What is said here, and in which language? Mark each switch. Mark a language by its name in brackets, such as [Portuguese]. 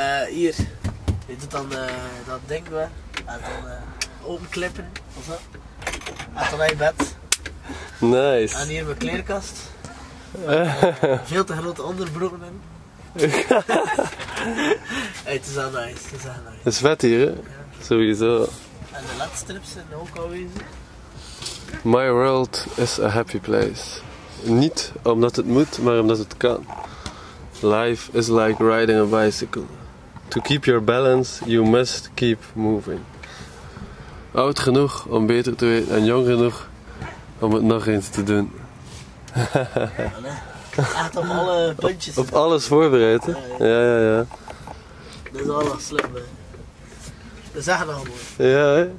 [Dutch] Hier. Je doet dan dat ding, hè. En dan openklippen, of zo. En dan naar je bed. Nice. En hier mijn kleerkast. Veel te grote onderbroeken in. Hey, het is wel nice. Het is wel nice. Het is vet hier, hè. Ja. Sowieso. En de ledstrips zijn ook alweer. [English] My world is a happy place. [Dutch] Niet omdat het moet, maar omdat het kan. [English] Life is like riding a bicycle. To keep your balance, you must keep moving. [Dutch] Oud genoeg om beter te weten en jong genoeg om het nog eens te doen. Echt op alle puntjes. Op alles voorbereid, hè? Ja, ja, ja. Dat is allemaal slim, hè. We zeggen nog mooi. Ja, hè?